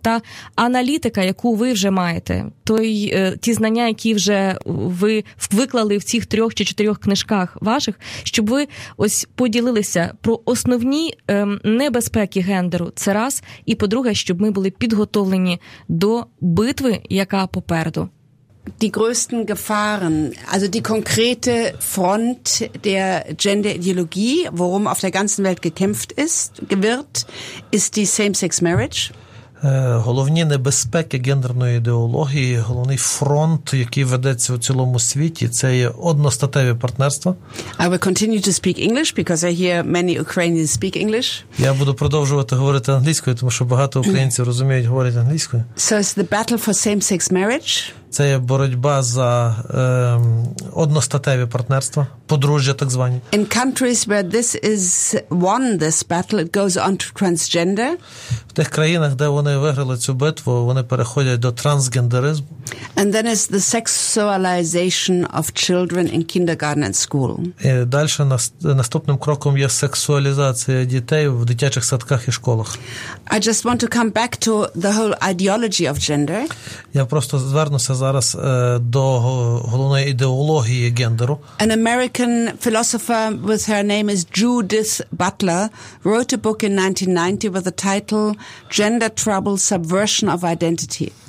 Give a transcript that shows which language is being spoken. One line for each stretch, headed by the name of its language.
Ukrainian: Та аналітика, яку ви вже маєте, ті знання, які вже ви виклали в цих трьох чи чотирьох книжках ваших, щоб ви ось поділилися про основні небезпеки гендеру, це раз, і по-друге, щоб ми були підготовлені до битви, яка попереду.
German: Die größten Gefahren, also die konkrete Front der Gender-Ideologie, worum auf der ganzen Welt gekämpft wird, ist die Same-Sex-Marriage.
Ukrainian: Головні небезпеки гендерної ідеології, головний фронт, який ведеться у цілому світі, це є одностатеві партнерства.
English: I will continue to speak English because I hear many Ukrainians speak English.
Ukrainian: Я буду продовжувати говорити англійською, тому що багато українців розуміють говорити англійською.
English: So it's the battle for same-sex marriage.
Ukrainian: Це є боротьба за одностатеві партнерства, подружжя так звані.
English: In countries where this is won, this battle, it goes on to transgender.
Ukrainian: В тих країнах, де вони виграли цю битву, вони переходять до трансгендеризму.
English: And then is the sexualization of children in kindergarten and school.
Ukrainian: І далі наступним кроком є сексуалізація дітей в дитячих садках і школах.
English: I just want to come back to the whole ideology of gender.
Ukrainian: Я просто звернуся зараз до головної ідеології гендеру.
English: An American philosopher with her name is Judith Butler wrote a book in 1990 with the title Gender Trouble, Subversion of Identity.